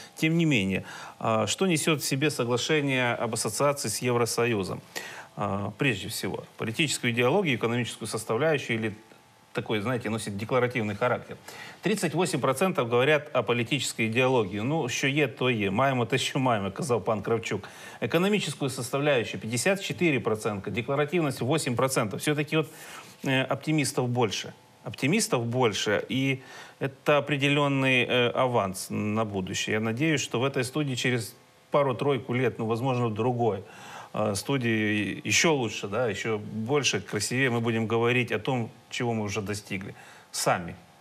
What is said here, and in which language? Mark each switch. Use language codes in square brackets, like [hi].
[ru] Тем не менее, что несет в себе соглашение об ассоциации с Евросоюзом? Прежде всего, политическую идеологию, экономическую составляющую или такой, знаете, носит декларативный характер. 38% говорят о политической идеологии. [uk] Ну, що є, то є. Маємо, то що маємо, казав пан Кравчук. [ru] Экономическую составляющую 54%, декларативность 8%. Все-таки вот оптимистов больше. Оптимистов больше, и это определенный аванс на будущее. Я надеюсь, что в этой студии через пару-тройку лет, ну, возможно, в другой студии еще лучше, да, еще больше, красивее мы будем говорить о том, чего мы уже достигли сами.